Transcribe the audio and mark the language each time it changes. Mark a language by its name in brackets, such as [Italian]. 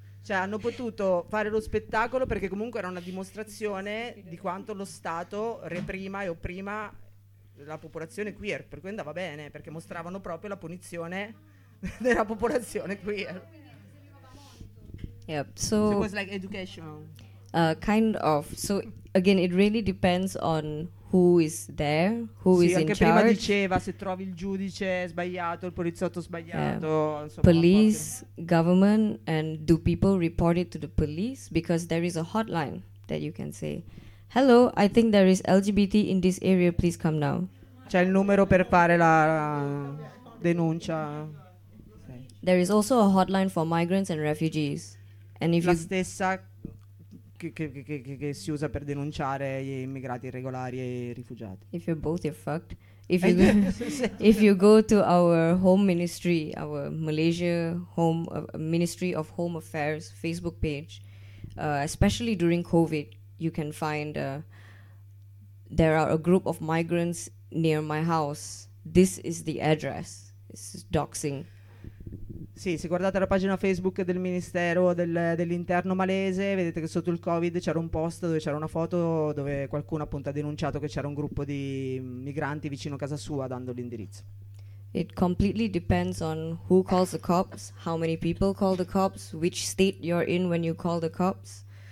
[Italian] Cioè, hanno potuto fare lo spettacolo perché comunque era una dimostrazione di quanto lo Stato reprima e opprima la popolazione queer, per cui andava bene, perché mostravano proprio la punizione della popolazione queer. [English] Yep, so it was like educational. Kind of. So again, it really depends on who is there, who [Italian] sì, [English] is in charge. [Italian] Sì, anche prima diceva, se trovi il giudice sbagliato, il poliziotto sbagliato, insomma, [English] police, government, and do people report it to the police? Because there is a hotline that you can say, hello, I think there is LGBT in this area, please come now. [Italian] C'è il numero per fare la denuncia. [English] There is also a hotline for migrants and refugees. And if [Italian] la stessa che si usa per denunciare gli immigrati irregolari e i rifugiati. [English] If you're both, you're fucked. If you, if you go to our home ministry, our Malaysia home Ministry of Home Affairs Facebook page, especially during COVID, you can find there are a group of migrants near my house. This is the address. This is doxing. [Italian] Sì, se guardate la pagina Facebook del Ministero dell'Interno malese, vedete che sotto il Covid c'era un post dove c'era una foto dove qualcuno appunto ha denunciato che c'era un gruppo di migranti vicino casa sua dando l'indirizzo. [English] It completely depends on who calls the cops, how many people call the cops, which state you're in when you call the cops.